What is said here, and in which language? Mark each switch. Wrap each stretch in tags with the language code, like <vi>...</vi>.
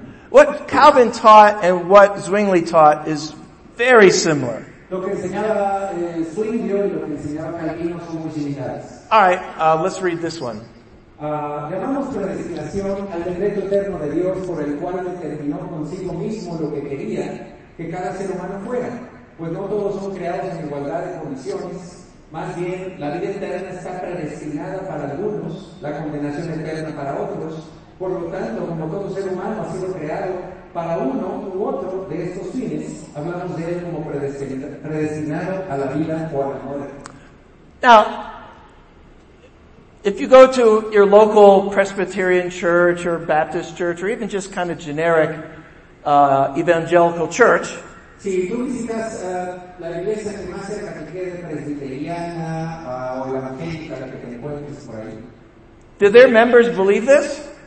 <en>What Calvin taught and what Zwingli taught is very similar. Alright, let's read this one.</en> <es>Llamamos por designación al decreto eterno de Dios por el cual determinó consigo mismo lo que quería que cada ser humano fuera, pues no todos son creados en igualdad de condiciones, más bien la vida eterna está predestinada para algunos, la condenación eterna para otros, por lo tanto, como todo ser humano ha sido creado para uno u otro de estos fines, hablamos de él como predestinado a la vida o a la muerte.</es> <en>If you go to your local Presbyterian church or Baptist church or even just kind of generic evangelical church, do their members believe this?</en>